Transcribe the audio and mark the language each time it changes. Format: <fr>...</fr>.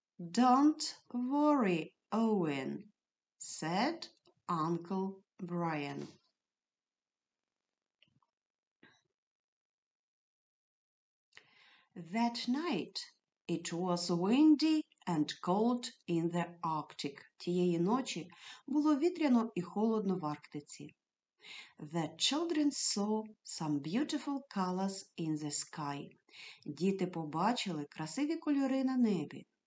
<en>Don't worry, Owen, said Uncle Brian. That night it was windy and cold in the Arctic.</en> <uk>Тієї ночі було вітряно і холодно в Арктиці.</uk> <en>The children saw some beautiful colors in the sky.</en> <uk>Діти побачили красиві кольори на небі.</uk>